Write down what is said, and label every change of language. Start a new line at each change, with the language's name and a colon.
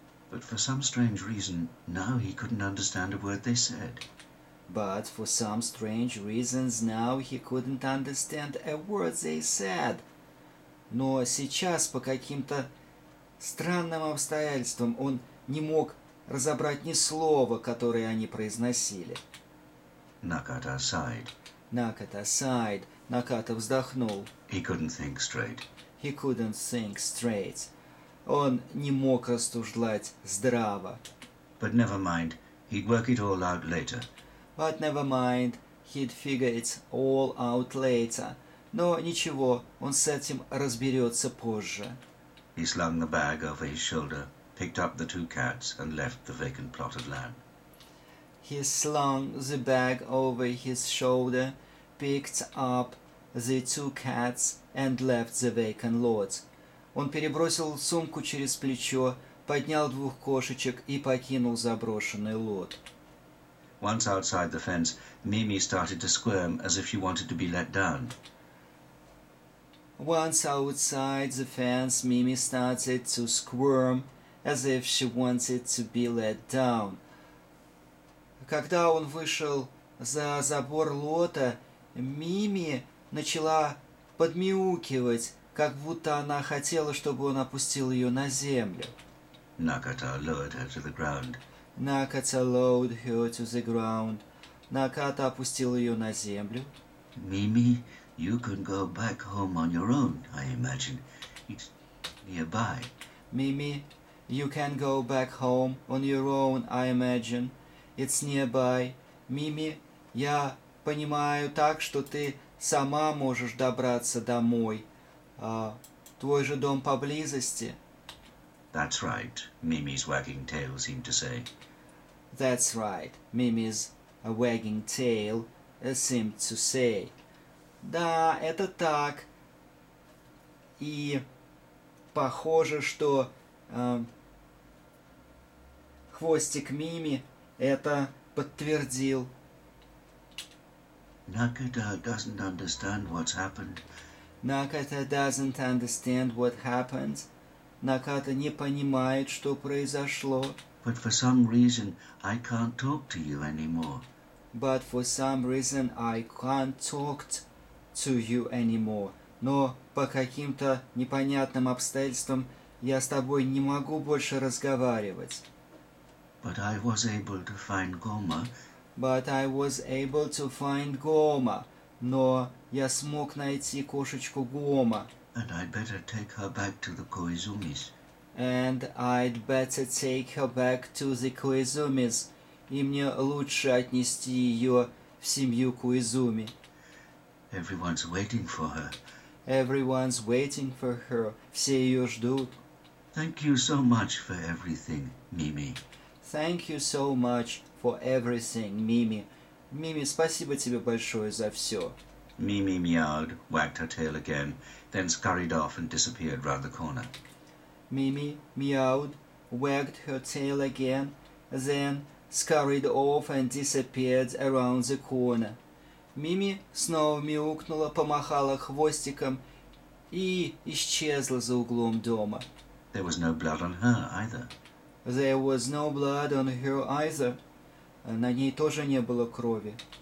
English: But for some strange reason, now he couldn't understand a word they said. But for some strange reasons, now he couldn't understand a word they said.
Russian: Но сейчас, по каким-то странным обстоятельствам, он не мог разобрать ни слова, которое они произносили.
English: Nakata sighed. Nakata sighed.
Russian: Наката вздохнул.
English: He couldn't think straight. He couldn't think straight.
Russian: Он не мог рассуждать здраво.
English: But never mind. He'd work it all out later. But never mind. He'd figure it all out later.
Russian: Но ничего, он с этим разберется позже.
English: He slung the bag over his shoulder, picked up the two cats, and left the vacant plot of land. He slung the bag over his shoulder, picked up the two cats and left the vacant lot.
Russian: Он перебросил сумку через плечо, поднял двух кошечек и покинул заброшенный лот.
English: Once outside the fence, Mimi started to squirm as if she wanted to be let down. Once outside the fence, Mimi started to squirm as if she wanted to be let down.
Russian: Когда он вышел за забор лота, Мими начала подмяукивать, как будто она хотела, чтобы он опустил ее на землю.
English: Nakata lowered her to the ground. Nakata lowered her to the ground.
Russian: Nakata опустил ее на землю.
English: Mimi, you can go back home on your own, I imagine. It's nearby. Mimi, you can go back home on your own, I imagine. It's nearby.
Russian: Mimi, я понимаю так, что ты сама можешь добраться домой. Твой же дом поблизости.
English: That's right, Mimi's wagging tail seemed to say. That's right, Mimi's wagging tail seemed to say.
Russian: Да, это так. И похоже, что хвостик Мими это подтвердил.
English: Nakata doesn't understand what's happened. Nakata doesn't understand what happened.
Russian: Nakata не понимает, что произошло.
English: But for some reason, I can't talk to you anymore. But for some reason, I can't talk to you anymore.
Russian: Но по каким-то непонятным обстоятельствам я с тобой не могу больше разговаривать.
English: But I was able to find Goma. But I was able to find Goma.
Russian: Но я смог найти кошечку Гома.
English: And I'd better take her back to the Koizumis. And I'd better take her back to the Koizumis.
Russian: И мне лучше отнести ее в семью Куизуми.
English: Everyone's waiting for her. Everyone's waiting for her.
Russian: Все ее ждут.
English: Thank you so much for everything, Mimi. Thank you so much for everything, Mimi.
Russian: Mimi, спасибо тебе большое за все.
English: Mimi meowed, wagged her tail again, then scurried off and disappeared round the corner. Mimi meowed, wagged her tail again, then scurried off and disappeared around the corner.
Russian: Mimi снова мяукнула, помахала хвостиком и исчезла за углом дома.
English: There was no blood on her either. There was no blood on her either.
Russian: На ней тоже не было крови.